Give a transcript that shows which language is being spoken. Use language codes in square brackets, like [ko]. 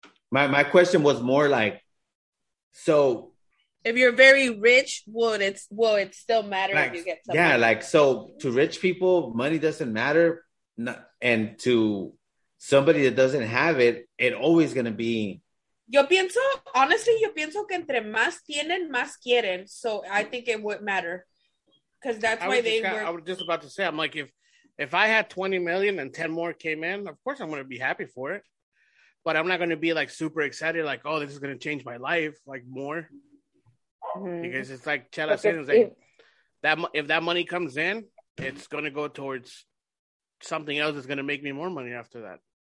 [en] My question was more like, so. If you're very rich, will it still matter like, if you get something? Yeah, like, so to rich people, money doesn't matter. And to somebody that doesn't have it, it always going to be. [es] Yo pienso, [en] honestly, [es] yo pienso que entre más tienen, más quieren. [en] So I think it would matter. Because that's why they were. I was just about to say, I'm like, if I had 20 million and 10 more came in, of course I'm going to be happy for it. But I'm not going to be like super excited, like, oh, this is going to change my life, like more. Mm-hmm. Because it's like Chela said, like, if that money comes in, it's going to go towards something else that's going to make me more money after that.